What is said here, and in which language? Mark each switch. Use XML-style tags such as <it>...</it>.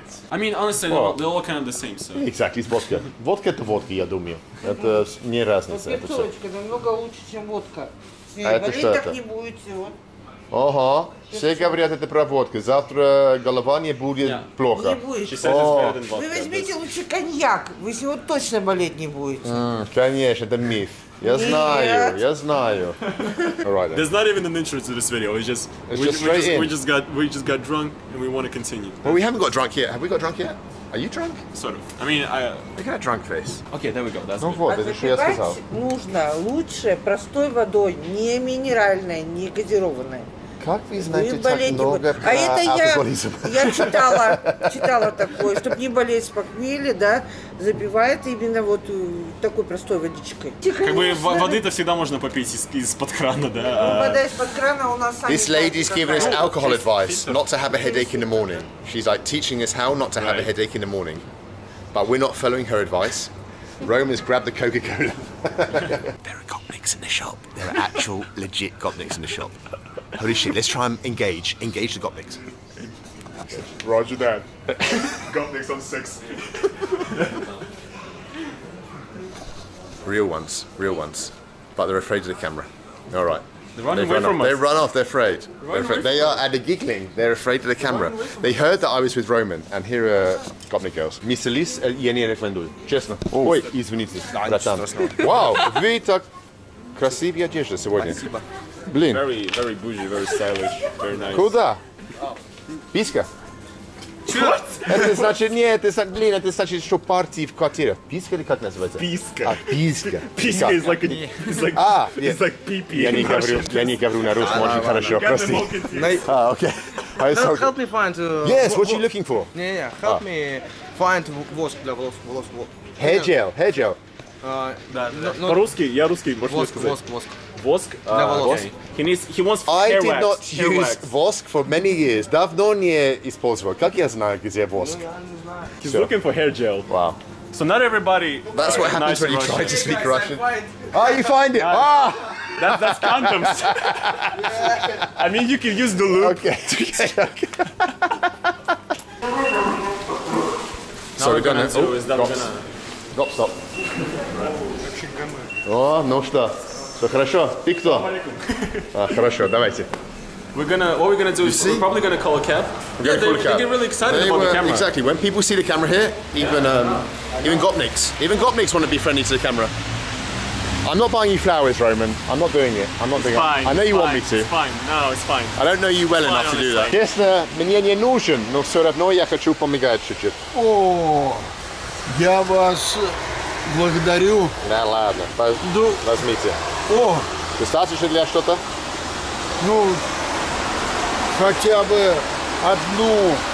<en>I mean, honestly, they're all kind of the same, so. Exactly, it's vodka.</en> <ru>Водка это водка, я думаю. Это не разница. Это все. Намного лучше, чем водка. А это что это? Ого, все говорят это про водку. Завтра голова не будет плохо. Не будет. Вы возьмите лучше коньяк. Вы сегодня точно болеть не будете. Конечно, это миф. Я знаю, я знаю.</ru> <en>Right. There's not even an intro to this video. We just got drunk and we want to continue. Well, we haven't got drunk yet. Have we got drunk yet? Are you drunk? Sort of. I mean, I... Look at that drunk face. Okay, there we go. That's ну good.</en> <ru>Вот, это что я сказал. Нужно лучше простой водой, не минеральной, не газированной. Как вы знаете так много про алкоголизм? Я читала такое, чтобы не болеть с похмелья, да, забивает именно вот такой простой водичкой. Тихо, как бы воды-то всегда можно попить из-под крана, да. Вода из-под крана у нас...</ru> <en>This lady's giving us alcohol advice not to have a headache in the morning. She's like teaching us how not to have a headache in the morning. But we're not following her advice. Rome has grabbed the Coca-Cola. There are gopniks in the shop. There are actual, legit gopniks in the shop. Holy shit, let's try and engage. Engage the gopniks. Roger that. Gopniks on six. Real ones, real ones. But they're afraid of the camera. All right. They run away from us. They're afraid. They are at a giggling. They're afraid of the camera. They heard that I was with Roman, and here are Gopnik girls.</en> <ru>Miselis, я не рекомендую. Честно. Ой, извините. Братан.</ru> <en>Wow,</en> <ru>вы так красивая одежда сегодня. Спасибо. Блин.</ru> <en>Very, very bougie, very stylish, very nice.</en> <ru>Куда? Писка.</ru> <en>What?</en> <ru>Это значит, нет, это значит, что партии в квартире. Писка или как называется? Писка. А, писка.</ru> <en>Писка is like,</en> <ru>я не говорю, на русском, очень хорошо, прости.</ru> <en>Okay. Help me find... Yes, what are you looking for? Yeah, help me find</en> <ru>воск для волос.</ru> <en>Hair gel.</en> <ru>По-русски, я русский, можно сказать. Воск.</ru> <en>He wants hair wax. I did not use воск for many years.</en> <ru>Давно не использовал. Как я знаю, где воск?</ru> <en>He's looking for hair gel. Wow. So not everybody... That's what happens when you try to speak Russian. Oh, you find it! That's condoms. I mean, you can use the loop. Okay. So we're gonna... Stop.</en> <ru>О, ну что? Все хорошо? Ты кто? А, хорошо, давайте.</ru> <en>We're probably gonna call a cab. They get really excited about the camera. Exactly. When people see the camera here, even gopniks want to be friendly to the camera. I'm not buying you flowers, Roman. I'm not doing it. Fine. I know you want me to. It's fine. No, it's fine. I don't know you well enough to do that.</en> <ru>Честно, мне не нужен, но все равно я хочу помогать чуть-чуть. О, я вас благодарю. Да ладно, возьмите. О! Достаточно для что-то? Ну, хотя бы одну.</ru>